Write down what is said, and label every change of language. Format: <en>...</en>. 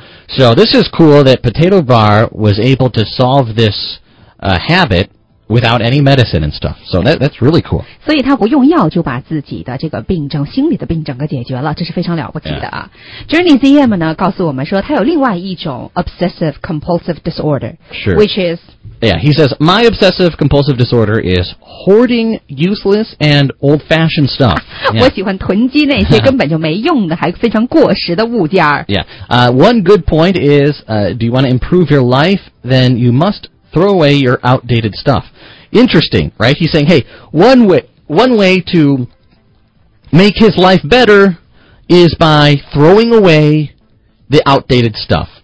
<en>So this is cool that Potato Bar was able to solve this habit without any medicine and stuff. So that's really cool.</en> <zh>所以他不用药就把自己的这个病症心理的病症给解决了这是非常了不起的啊。</zh> <en>Yeah.</en> <zh>Journey ZM 呢告诉我们说他有另外一种 obsessive compulsive disorder.</zh> <en>Sure. Which is... Yeah, he says, my obsessive compulsive disorder is hoarding useless and old-fashioned stuff.</en> <zh>我喜欢囤积那些根本就没用的还非常过时的物件。</zh> <en>Yeah. One good point is, do you want to improve your life? Then you must... throw away your outdated stuff. Interesting, right? He's saying, hey, one way to make his life better is by throwing away the outdated stuff.</en>